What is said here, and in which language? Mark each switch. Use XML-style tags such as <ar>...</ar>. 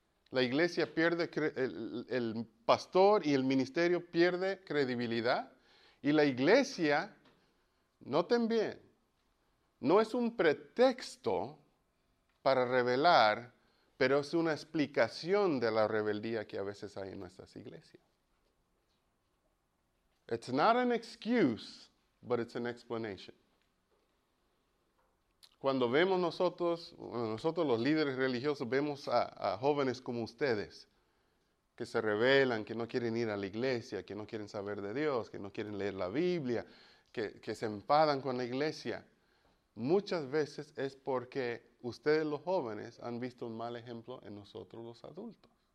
<es>La iglesia pierde, el pastor y el ministerio pierde credibilidad. Y la iglesia, noten bien, no es un pretexto para rebelar, pero es una explicación de la rebeldía que a veces hay en nuestras iglesias.</es> <en>It's not an excuse, but it's an explanation.</en> <es>Cuando vemos nosotros los líderes religiosos, vemos a jóvenes como ustedes, que se rebelan, que no quieren ir a la iglesia, que no quieren saber de Dios, que no quieren leer la Biblia, que se enfadan con la iglesia, muchas veces es porque ustedes los jóvenes han visto un mal ejemplo en nosotros los adultos.</es>